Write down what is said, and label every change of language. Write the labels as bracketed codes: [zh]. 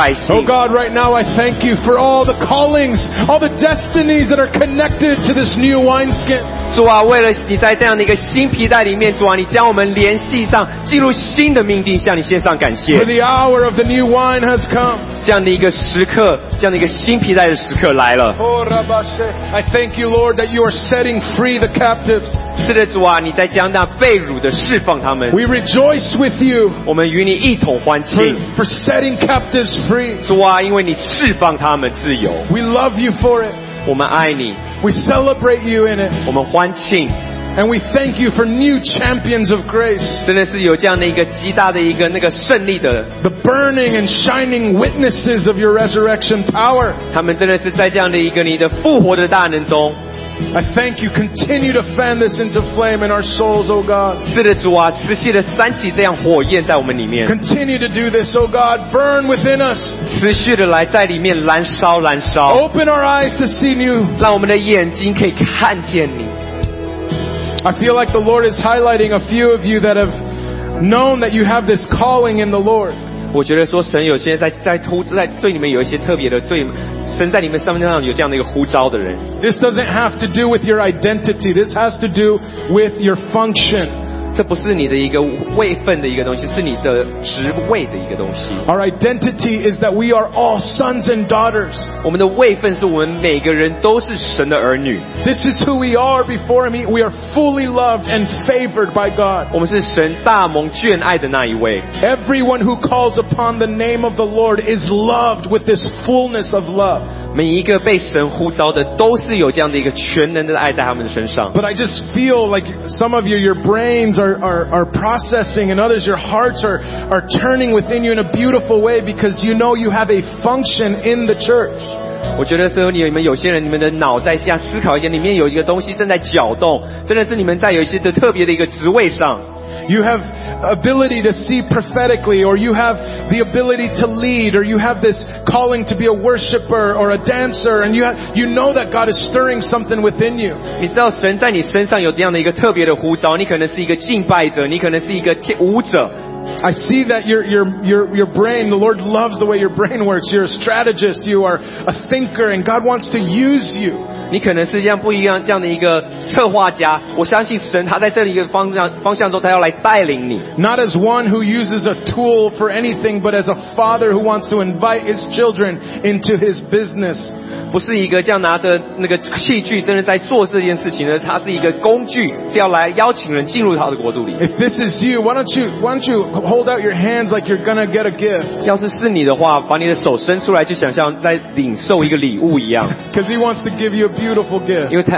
[en] Oh God, right now I thank you for all the callings, all the destinies that are connected to this new wineskin. [zh] 主啊，为了你在这样的一个新皮带里面，主啊，你将我们联系上，进入新的命定，向你献上感谢。 [en] For the hour of the new wine has come. [zh] 这样的一个时刻，这样的一个新皮带的时刻来了。 [en] Oh, Rabashe, I thank you, Lord, that you are setting free the captives. [zh] 是的，主啊，你在将那被掳的释放他们。 [en] We rejoice with you. [zh] 我们与你一同欢庆。 [en] For setting captives free. [zh] 主啊，因为你释放他们自由。 [en] We love you for it. [zh] 我们爱你。 [en] We celebrate you in it. [zh] 我们欢庆。 [en] And we thank you for new champions of grace. [zh] 真的是有这样的一个极大的一个那个胜利的。 [en] The burning and shining witnesses of your resurrection power. [zh] 他们真的是在这样的一个你的复活的大能中。 [en] I thank you. Continue to fan this into flame in our souls, O God. [zh] 是的，主啊，持续的燃起这样火焰在我们里面。 [en] Continue to do this, O God. Burn within us. [zh] 持续的来在里面燃烧，燃烧。 [en] Open our eyes to see you. [zh] 让我们的眼睛可以看见你。 [en] I feel like the Lord is highlighting a few of you that have known that you have this calling in the Lord. [zh] 我觉得说神有些在对你们有一些特别的对。神在你们身上有这样的一个呼召的人。 [en] This doesn't have to do with your identity. This has to do with your function. [zh] 这不是你的一个位分的一个东西，是你的职位的一个东西。 [en] Our identity is that we are all sons and daughters. [zh] 我们的位分是我们每个人都是神的儿女。 [en] This is who we are before Him. We are fully loved and favored by God. [zh] 我们是神大蒙眷爱的那一位。 [en] Everyone who calls upon the name of the Lord is loved with this fullness of love. [zh] 每一个被神呼召的都是有这样的一个全能的爱在他们的身上。 [en] But I just feel like some of you, your brains are processing and others, your hearts are turning within you in a beautiful way because you know you have a function in the church. [zh] 我觉得说你们有些人你们的脑在下思考一下里面有一个东西正在搅动真的是你们在有一些的特别的一个职位上。 [en] You have ability to see prophetically, or you have the ability to lead, or you have this calling to be a worshiper or a dancer, and you know that God is stirring something within you. [zh] 你知道神在你身上有这样的一个特别的呼召，你可能是一个敬拜者，你可能是一个舞者。 [en] I see that your brain, the Lord loves the way your brain works. You're a strategist, you are a thinker, and God wants to use you. [zh] 你可能是这样不一样这样的一个策划家我相信神他在这里一个方向中他要来带领你 [en] Not as one who uses a tool for anything but as a father who wants to invite his children into his business [zh] 不是一个这样拿着那个器具真的在做这件事情的他是一个工具是要来邀请人进入他的国度里 [en] If this is you why don't you hold out your hands like you're gonna get a gift [zh] 要是是你的话把你的手伸出来就想像在领受一个礼物一样 [en] Because he wants to give youBeautiful gift.